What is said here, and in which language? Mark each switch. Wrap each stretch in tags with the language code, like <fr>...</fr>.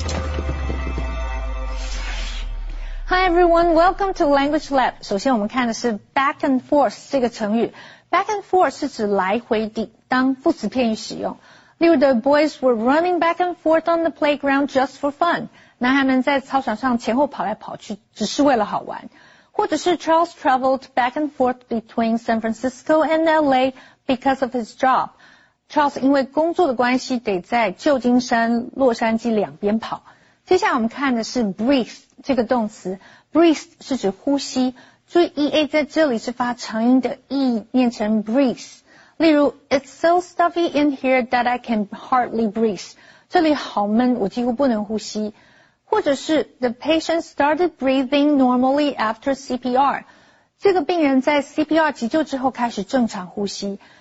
<en>Hi everyone, welcome to Language Lab.</en> <zh>首先我们看的是 back and forth 这个成语。Back and forth 是指来回地当副词片语使用。</zh> <en>例如 the boys were running back and forth on the playground just for fun.</en> <zh>男孩们在操场上前后跑来跑去只是为了好玩。</zh> <en>或者是 Charles traveled back and forth between San Francisco and LA because of his job.</en> <zh>Charles 因为工作的关系得在旧金山、洛杉矶两边跑。接下来我们看的是 breathe 这个动词。breathe 是指呼吸。注意 EA 在这里是发长音的 E 念成 breathe。</zh> <en>例如 It's so stuffy in here that I can hardly breathe.</en> <zh>这里好闷我几乎不能呼吸。</zh> <en>或者是 The patient started breathing normally after CPR.</en> <zh>这个病人在 CPR 急救之后开始正常呼吸。</zh>